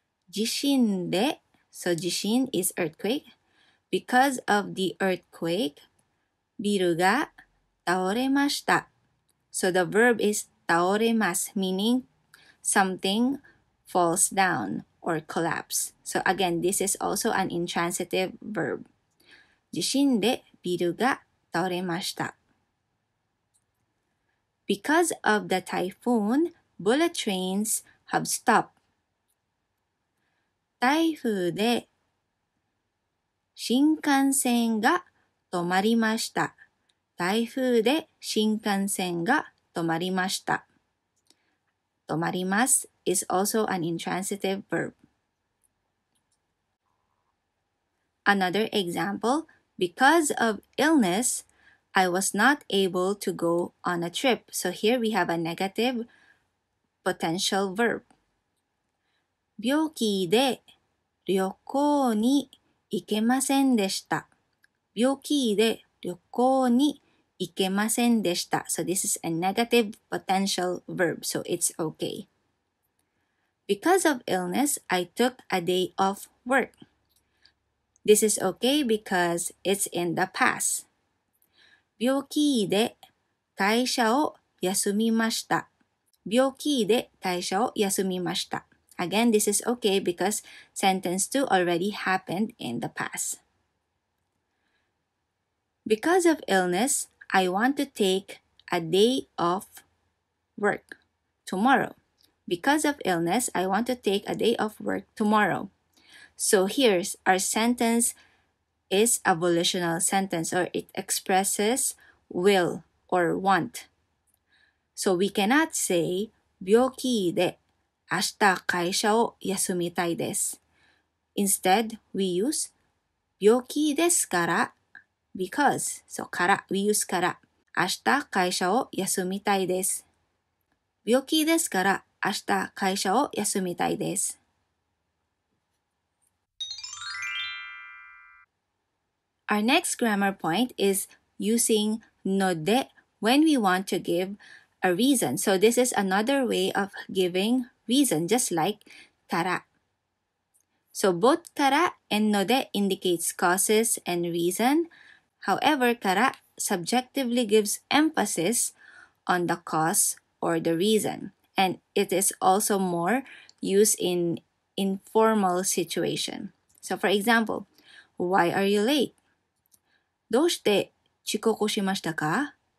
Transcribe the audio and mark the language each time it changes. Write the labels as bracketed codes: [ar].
[ja] 地震で、 [en] so 地震 is earthquake, because of the earthquake, [ja] ビルが倒れました。 [en] So the verb is 倒れます, meaning something falls down or collapse. So again, this is also an intransitive verb. [ja] 地震でビルが倒れました。 [en] Because of the typhoon, bullet trains have stopped. [ja] 台風で新幹線が止まりました。台風で新幹線が止まりました。 [en] 止まります is also an intransitive verb. Another example, because of illness, I was not able to go on a trip. So here we have a negative potential verb. [ja] 病気で旅行に行けませんでした。病気で旅行に行けませんでした。 [en] So this is a negative potential verb, so it's okay. Because of illness, I took a day off work. This is okay because it's in the past. [ja] 病気で会社を休みました。病気で会社を休みました。 [en] Again, this is okay because sentence 2 already happened in the past. Because of illness, I want to take a day off work tomorrow. Because of illness, I want to take a day off work tomorrow. So here's our sentence is a volitional sentence or it expresses will or want. So we cannot say [ja] 病気で明日会社を休みたいです。 [en] Instead, we use [ja] 病気ですから [en] because. So から、we use から。 [ja] 明日会社を休みたいです。病気ですから明日会社を休みたいです。 [en] Our next grammar point is using ので when we want to give a reason. So this is another way of giving reason, just like から。 So, bot から ennode indicates causes and reason. However, から subjectively gives emphasis on the cause or the reason. And it is also more used in informal situation. So, for example, why are you late? [ja] どうして遅刻しましたか?